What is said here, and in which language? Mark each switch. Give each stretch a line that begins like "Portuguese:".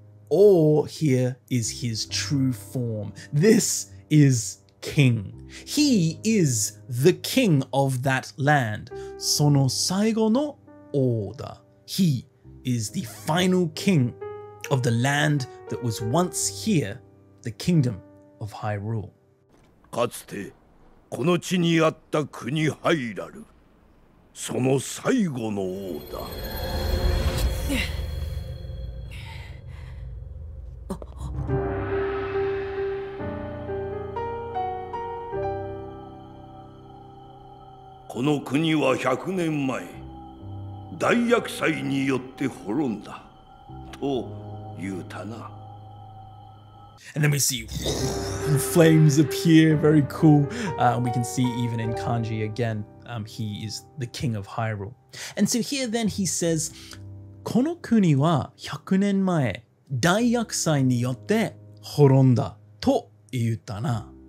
English: Or here is his true form. This is king. He is the king of that land.
Japanese: Sono saigo no oda.
English: He is the final king of the land that was once here, the kingdom of Hyrule.
Japanese: かつてこの地にあった国ハイラル、その最後の王だ。この国は100年前、大厄災によって滅んだ、と言うたな。
English: And then we see flames appear, very cool. We can see even in kanji again, he is the king of Hyrule. And so here then he says,
Japanese: この国は100年前、大厄災によって滅んだと言ったな。